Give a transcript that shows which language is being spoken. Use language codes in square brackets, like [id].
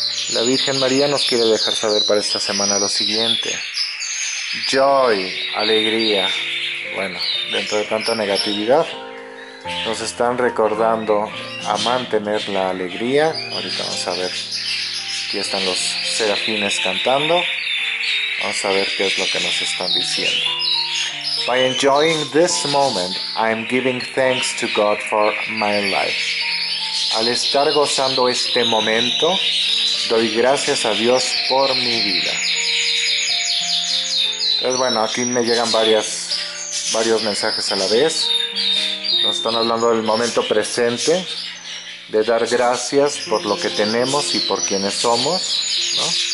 [es] La Virgen María nos quiere dejar saber para esta semana lo siguiente: joy, alegría. Bueno, dentro de tanta negatividad, nos están recordando a mantener la alegría. Ahorita vamos a ver, aquí están los serafines cantando. Vamos a ver qué es lo que nos están diciendo. [en] By enjoying this moment, I am giving thanks to God for my life. [es] Al estar gozando este momento, doy gracias a Dios por mi vida. Entonces, bueno, aquí me llegan varios mensajes a la vez. Nos están hablando del momento presente, de dar gracias por lo que tenemos y por quienes somos, ¿no?